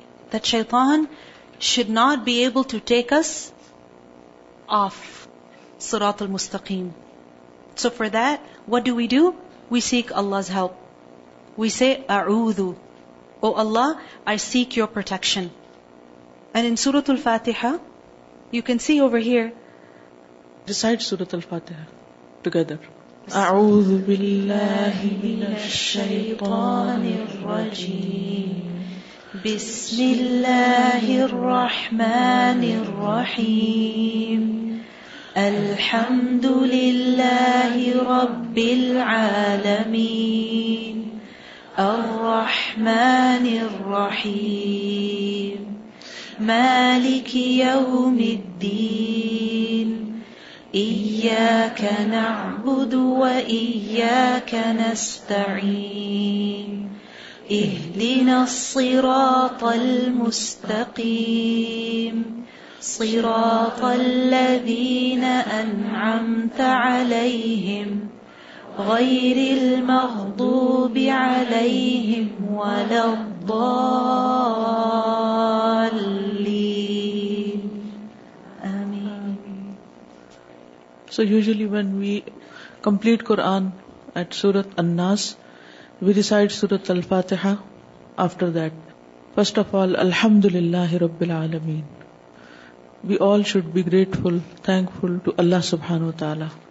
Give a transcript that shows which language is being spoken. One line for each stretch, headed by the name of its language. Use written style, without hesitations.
English: That shaitan should not be able to take us off Sirat al-Mustaqim. So for that, what do? We seek Allah's help. We say, أعوذ, O Allah, I seek your protection. And in Surah Al-Fatiha, you can see over here, recite Surah Al-Fatiha together.
Arabic: أعوذ بالله من الشيطان الرجيم بسم الله الرحمن الرحيم الحمد لله رب العالمين الرحمن الرحيم مالك يوم الدين إياك نعبد وإياك نستعين اهدنا الصراط المستقيم صراط الذين أنعمت عليهم غير المغضوب عليهم ولا الضالين آمين.
English: So usually when we complete Quran at Surah An-Nas, we recite Surah Al-Fatiha after that. First of all, Alhamdulillah Rabbil Alameen. We all should be grateful, thankful to Allah subhanahu wa ta'ala.